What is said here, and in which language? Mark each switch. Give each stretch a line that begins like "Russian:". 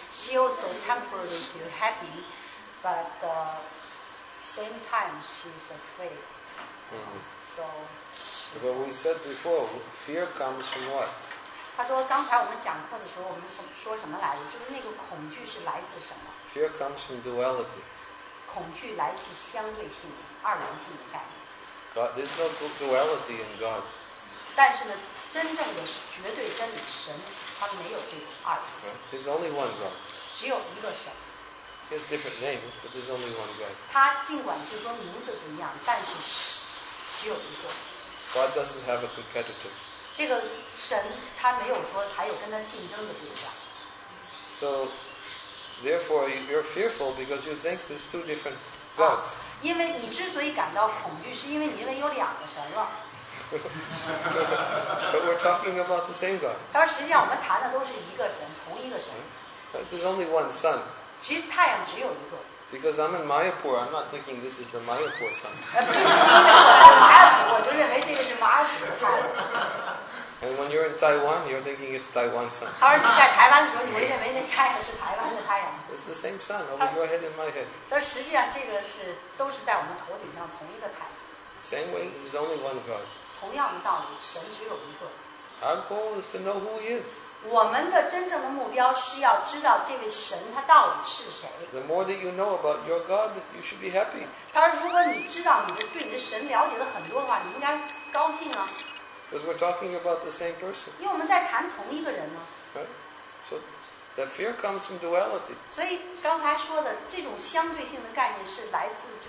English: She also temporarily feel happy, but same time she's afraid. So. But we said before, fear comes from what?
Chinese: 他说刚才我们讲课的时候，我们说什么来着？就是那个恐惧是来自什么
English: ？Fear comes from duality.
Chinese: 恐惧来自相对性、二元性的概念。
English: God, there's no duality in God.
Chinese: 但是呢，真正的绝对真理神。他没有这个二。
English: There's only one God.
Chinese: 只有一个神。
English: He has different names, but there's only one God.
Chinese: 他尽管就说名字不一样，但是只有一个。
English: God doesn't have a competitor.
Chinese: 这个神他没有说还有跟他竞争的对象。
English: So, therefore, you're fearful because you think there's two different gods.
Chinese: 因为你之所以感到恐惧，是因为你认为有两个神了。
English: But we're talking about the same God.
Chinese: 但实际上我们谈的都是一个神，同一个神。
English: There's only one sun.
Chinese: 其实太阳只有一个。
English: Because I'm in Mayapur, I'm not thinking this is the Mayapur sun.
Chinese: 我就认为这个是马尔代夫的太阳。
English: And when you're in Taiwan, you're thinking it's Taiwan sun.
Chinese: 他说你在台湾的时候，你会认为那太阳是台湾的太阳。
English: It's the same sun over your head and my head.
Chinese: 但实际上这个是都是在我们头顶上同一个太阳。
English: Same way, there's only one God.
Chinese: 同样的道理，神只有一个。
English: Our goal is to know who he is.
Chinese: 我们的真正的目标是要知道这位神他到底是谁。
English: The more that you know about your God, you should be happy.
Chinese: 他说，如果你知道你的对你的神了解了很多的话，你应该高兴啊。
English: Because we're talking about the same person.
Chinese: 因为我们在谈同一个人呢。
English: Right. So that fear comes from duality.
Chinese: 所以刚才说的这种相对性的概念是来自。